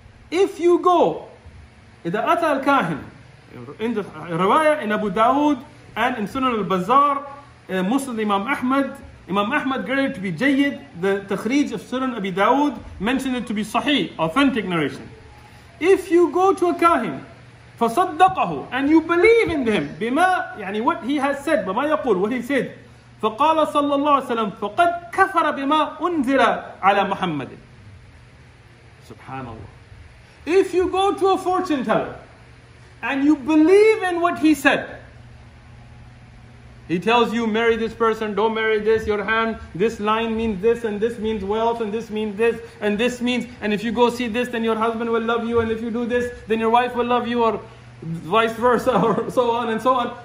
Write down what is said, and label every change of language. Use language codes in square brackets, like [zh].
[en] If you go, [ar] إِذَا أَتَى الْكَاهِنِ [en] in the riwayah in Abu Dawood and in Sunan al-Bazar, Muslim Imam Ahmad, Imam Ahmad graded it to be Jayyid, the Takhrij of Sunan Abi Dawood mentioned it to be Sahih, authentic narration. If you go to a kahin [ar] فصدقه. [en] And you believe in him. [ar] بما يعني [en] what he has said. [ar] بما يقول [en] what he said. [ar] فقال صلى الله عليه وسلم فقد كفر بما أنزل على محمد. سبحان الله. [en] If you go to a fortune teller and you believe in what he said, he tells you marry this person, don't marry this, your hand, this line means this, and this means wealth, and this means this, and this means, and if you go see this, then your husband will love you, and if you do this, then your wife will love you, or vice versa, or so on and so on.